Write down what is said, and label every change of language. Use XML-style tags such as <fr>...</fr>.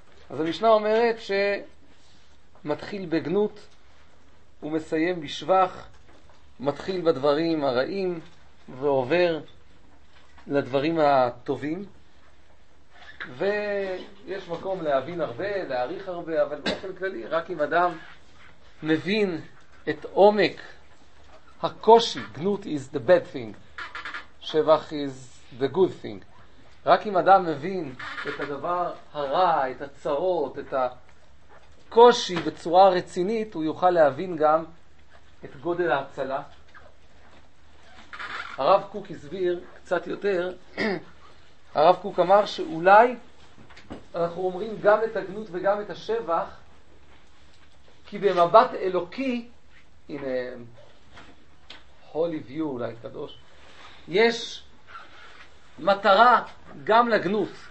<he>אז המשנה אומרת שמתחיל בגנות ומסיים בשבח, מתחיל בדברים הרעים ועובר לדברים הטובים. ויש מקום להבין הרבה, להעריך הרבה, אבל באופן כללי, רק אם אדם מבין את עומק הקושי.</he> <en>גנות is the bad thing. שבח is the good thing.</en> <he>רק אם אדם מבין את הדבר הרע, את הצרות, את הקושי בצורה רצינית, הוא יוכל להבין גם את גודל ההצלה. הרב קוק הסביר קצת יותר. הרב קוק אמר שאולי אנחנו אומרים גם את הגנות וגם את השבח, כי במבט אלוקי, הנה</he> <en>holy view,</en> <he>אולי קדוש, יש מטרה גם לגנות.</he>